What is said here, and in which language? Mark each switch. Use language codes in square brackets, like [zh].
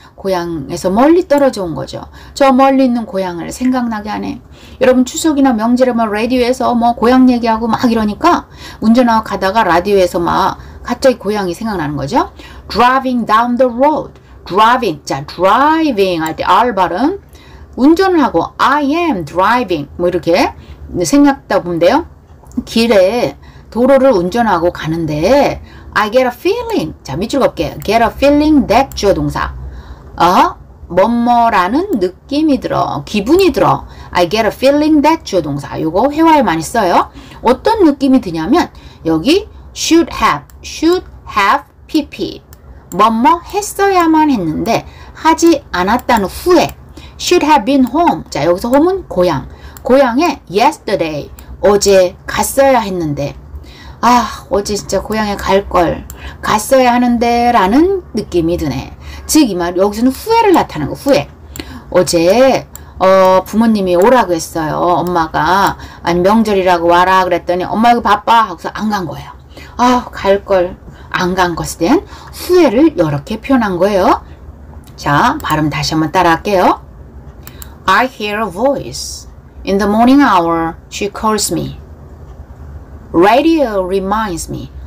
[ko] 고향에서 멀리 떨어져 온 거죠. 저 멀리 있는 고향을 생각나게 하네. 여러분 추석이나 명절에 막 라디오에서 뭐 고향 얘기하고 막 이러니까 운전하고 가다가 라디오에서 막 갑자기 고향이 생각나는 거죠. [en] Driving down the road. Driving. 자, driving [ko] 할 때 R 발음. 운전을 하고 [en] I am driving. [ko] 뭐 이렇게 생각다 보면 돼요. 길에 도로를 운전하고 가는데 [en] I get a feeling. 자, [ko] 밑줄 걷게. [en] Get a feeling that 주어 동사. [ko] 뭐뭐라는 느낌이 들어. 기분이 들어. [en] I get a feeling that 주어 동사. [ko] 이거 회화에 많이 써요. 어떤 느낌이 드냐면 여기 should have PP. 뭐뭐 했어야만 했는데 하지 않았다는 후에 [en] should have been home. [ko] 자, 여기서 home은 고향. 고향에 yesterday. 어제 갔어야 했는데 아 어제 진짜 고향에 갈걸 갔어야 하는데 라는 느낌이 드네. 즉 이 말 여기서는 후회를 나타내는 거 후회. 어제 부모님이 오라고 했어요. 엄마가 아니 명절이라고 와라 그랬더니 엄마 여기 바빠 하고서 안 간 거예요. 아 갈걸 안 간 것에 대한 후회를 이렇게 표현한 거예요. 자 발음 다시 한번 따라 할게요. [en] I hear a voice. In the morning hour, she calls me. Radio reminds me.